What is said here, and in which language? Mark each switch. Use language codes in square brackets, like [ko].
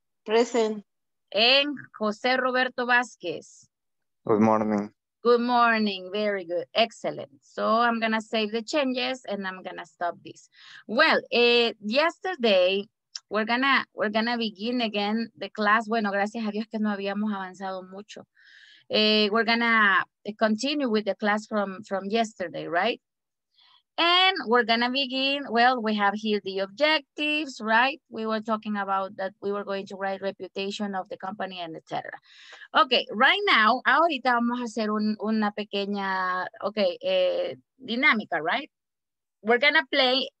[en] Present. And Jose Roberto Vázquez. Good morning. Good morning. Very good. Excellent. So I'm going to save the changes and I'm going to stop this. Well, yesterday, we're gonna begin again the class. [es] Bueno, gracias a Dios que no habíamos avanzado mucho. [en] We're gonna continue with the class from yesterday, right? And we're gonna begin, well, we have here the objectives, right? We were talking about that we were going to write reputation of the company and et cetera. Okay, right now, [es] ahorita vamos a hacer una pequeña, dinámica, [en] right? We're gonna play